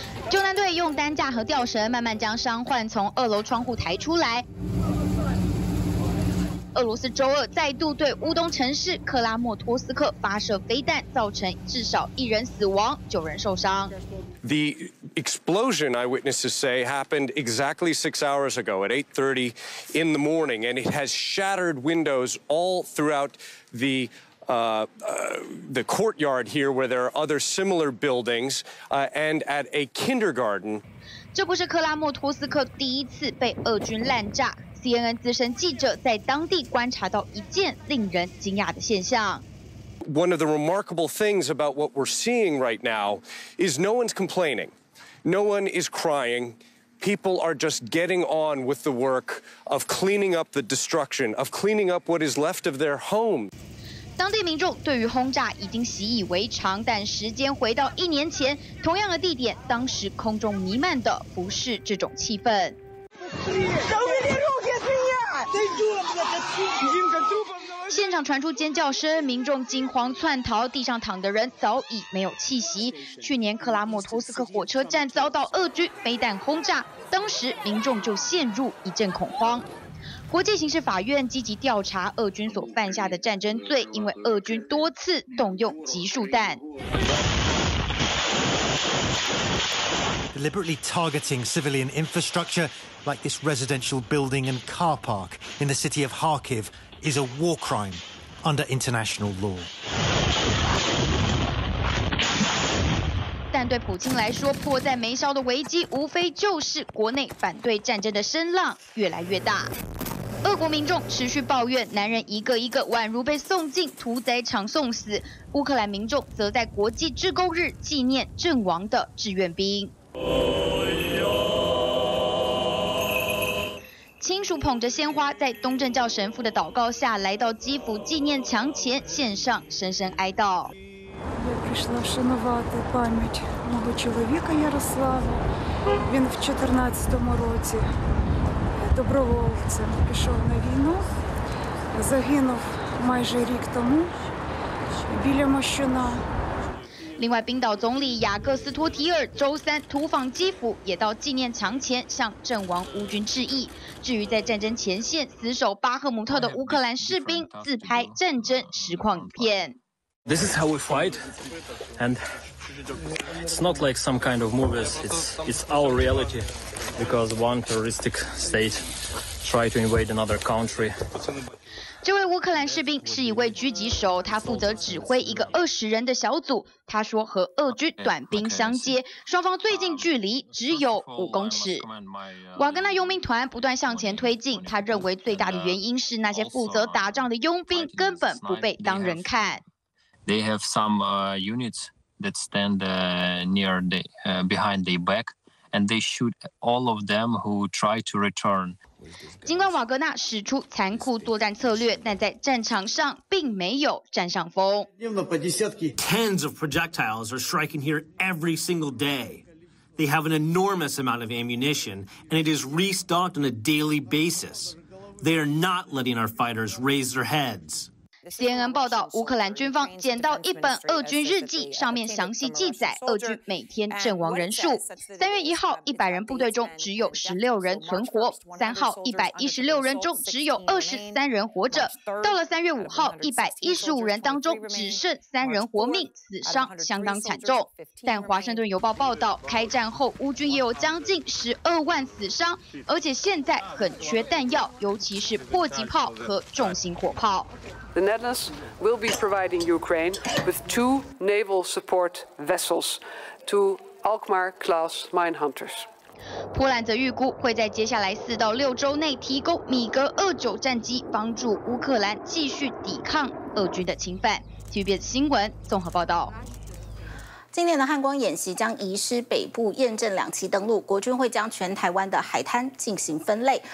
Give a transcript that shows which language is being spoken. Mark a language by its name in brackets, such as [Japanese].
[Chinese] 救难队用担架和吊绳慢慢将伤患从二楼窗户抬出来。俄罗斯周二再度对乌东城市克拉莫托斯克发射飞弹，造成至少1人死亡，9人受伤。 [English] The explosion, eyewitnesses say, happened exactly 6 hours ago at 8:30 in the morning, and it has shattered windows all throughout the courtyard here, where there are other similar buildings, and at a kindergarten. [Chinese] 这不是克拉莫托斯克第一次被俄军滥炸。 CNN 资深记者在当地观察到一件令人惊讶的现象。 [English] One of the remarkable things about what we're seeing right now is no one's complaining, no one is crying. People are just getting on with the work of cleaning up the destruction, of cleaning up what is left of their home. [Chinese] 当地民众对于轰炸已经习以为常，但时间回到一年前，同样的地点，当时空中弥漫的不是这种气氛。现场传出尖叫声，民众惊慌窜逃，地上躺的人早已没有气息。去年克拉莫托斯克火车站遭到俄军飞弹轰炸，当时民众就陷入一阵恐慌。国际刑事法院积极调查俄军所犯下的战争罪，因为俄军多次动用集束弹。 [English] Deliberately targeting civilian infrastructure like this residential building and car park in the city of Kharkiv is a war crime under international law. [Chinese] 但对普京来说，迫在眉梢的危机无非就是国内反对战争的声浪越来越大。俄国民众持续抱怨，男人一个一个宛如被送进屠宰场送死，乌克兰民众则在国际志工日纪念阵亡的志愿兵。亲属捧着鲜花，在东正教神父的祷告下，来到基辅纪念墙前献上深深哀悼。另外，冰岛总理雅各斯托提尔周三突访基辅，也到纪念墙前向阵亡乌军致意。至于在战争前线死守巴赫姆特的乌克兰士兵，自拍战争实况影片。 [English] This is how we fight, and it's not like some kind of movies. It's our reality, because one terroristic state tried to invade another country. [Chinese] 这位乌克兰士兵是一位狙击手，他负责指挥一个20人的小组。他说和俄军短兵相接，双方最近距离只有5公尺。瓦格纳佣兵团不断向前推进，他认为最大的原因是那些负责打仗的佣兵根本不被当人看。 [English] They have some units that stand near the behind their back, and they shoot all of them who try to return. [Chinese] 尽管瓦格纳使出残酷作战策略，但在战场上并没有占上风。 [English] Tens of projectiles are striking here every single day. They have an enormous amount of ammunition, and it is restocked on a daily basis. They are not letting our fighters raise their heads. [Chinese] CNN 报道，乌克兰军方捡到一本俄军日记，上面详细记载俄军每天阵亡人数。 3月1号，100人部队中只有16人存活；3号，116人中只有23人活着；到了3月5号，115人当中只剩3人活命，死伤相当惨重。但《华盛顿邮报》报道，开战后乌军也有将近12万死伤，而且现在很缺弹药，尤其是迫击炮和重型火炮。 [English] The Netherlands will be providing Ukraine with 2 naval support vessels to Alkmaar class mine hunters. [Chinese] 波兰则预估会在接下来4到6周内提供米格29战机，帮助乌克兰继续抵抗俄军的侵犯。 TVBS 新闻综合报道。今年的汉光演习将移师北部验证两栖登陆，国军会将全台湾的海滩进行分类。